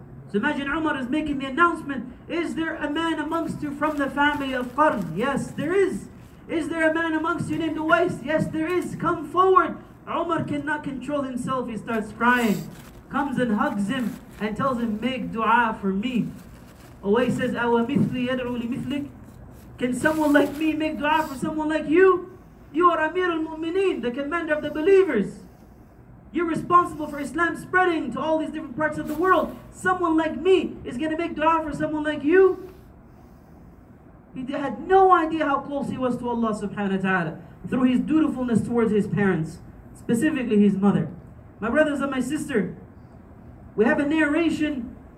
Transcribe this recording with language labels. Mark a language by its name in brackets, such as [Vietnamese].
[English] So imagine Umar is making the announcement, is there a man amongst you from the family of Qarn? Yes, there is. Is there a man amongst you named Uwais? Yes, there is. Come forward. Umar cannot control himself. He starts crying. Comes and hugs him and tells him, make dua for me. [Arabic] Uwais says, أَوَ مِثْلِي يَدْعُوا لِمِثْلِكَ. [English] Can someone like me make dua for someone like you? You are Amir al-Mu'mineen, the commander of the believers. You're responsible for Islam spreading to all these different parts of the world. Someone like me is going to make dua for someone like you? He had no idea how close he was to Allah subhanahu wa ta'ala through his dutifulness towards his parents, specifically his mother. My brothers and my sister, we have a narration